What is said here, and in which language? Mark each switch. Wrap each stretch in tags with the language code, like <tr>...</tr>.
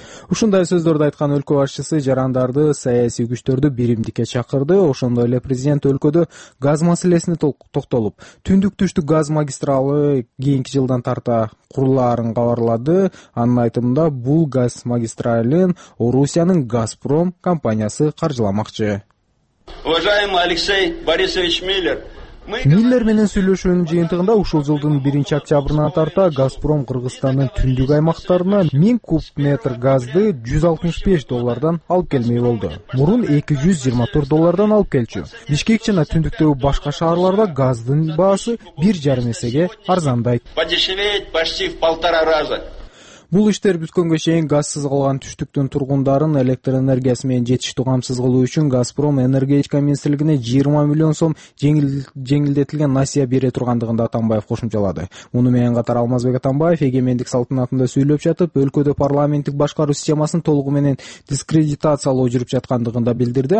<ky>Ушундай сөздөрдү айткан өлкө башчысы жарандарды, саясий күчтөрдү биримдикке чакырды. Ошондой эле президент өлкөдө газ маселесине токтолуп, түндүк түштүк газ магистралы кийинки жылдан тарта курулаарын кабарлады. Анын айтымында бул газ магистралын Орусиянын Газпром компаниясы каржыламакчы.</ky> <ru>Уважаемый Алексей Борисович Миллер.</ru> <ky>Миллер менен сүйлөшүүнүн жыйынтыгында ушул жылдын 1-октябрына тарта Газпром Кыргызстандын түндүк аймактарына 1000 куб метр газды 165 доллардан алып келмей болду. Мурун 224 доллардан алып келчү. Бишкек жана түндүктөгү башка шаарларда газдын баасы 1,5 эсеге арзандайт.</ky> <ru>Подешевеет почти в полтора раза.</ru> <ky>Бул иштер бүткөнгө чейин газсыз калган түштүктүн тургундарын электр энергиясы менен жетиштүү камсыз кылуу үчүн Газпром энергетика министрлигине 20 миллион сом жеңилдетилген насыя бере тургандыгын да Атамбаев кошумчалады. Муну менен катар Алмазбек Атамбаев эгемендик салтанатында сүйлөп жатып, өлкөдө парламенттик башкаруу системасын толугу менен дискредитациялоо жүрүп жаткандыгын да билдирди.</ky>